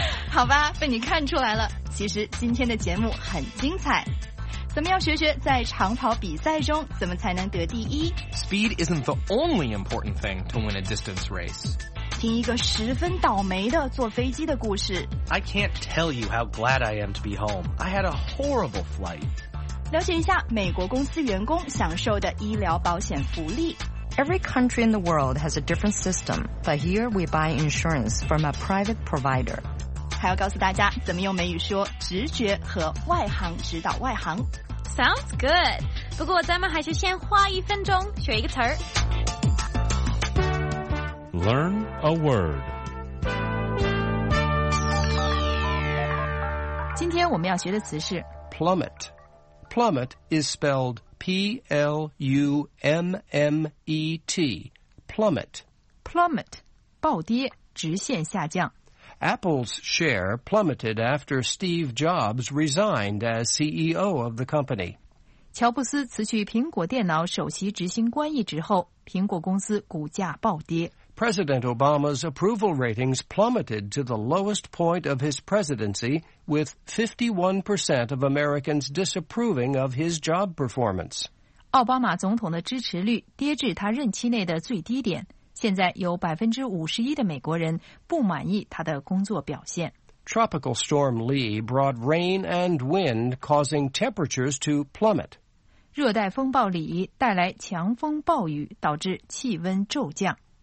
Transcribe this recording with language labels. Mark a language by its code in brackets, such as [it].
[zh] 好吧，被你看出来了。其实今天的节目很精彩。咱们要学学在长跑比赛中怎么才能得第一。 [en] Speed isn't the only important thing to win a distance race. [zh] 听一个十分倒霉的坐飞机的故事。 [en] I can't tell you how glad I am to be home. I had a horrible flight. [zh] 了解一下美国公司员工享受的医疗保险福利。 [en] Every country in the world has a different system, but here we buy insurance from a private provider. [zh] 还要告诉大家怎么用美语说直觉和外行指导外行。 [en] Sounds good. [zh] 不过咱们还是先花一分钟学一个词儿。 [en] Learn a word. [zh] 今天我们要学的词是 [en] plummet. Plummet is spelled P-L-U-M-M-E-T. Plummet. [zh] Plummet, 暴跌，直线下降。 [en] Apple's share plummeted after Steve Jobs resigned as CEO of the company. [zh] 乔布斯辞去苹果电脑首席执行官一职后，苹果公司股价暴跌。 [en] President Obama's approval ratings plummeted to the lowest point of his presidency, with 51% of Americans disapproving of his job performance. [zh] 奥巴马总统的支持率跌至他任期内的最低点，现在有 51% 的美国人不满意他的工作表现。 [en] Tropical Storm Lee brought rain and wind, causing temperatures to plummet. [zh] 热带风暴里带来强风暴雨，导致气温骤降。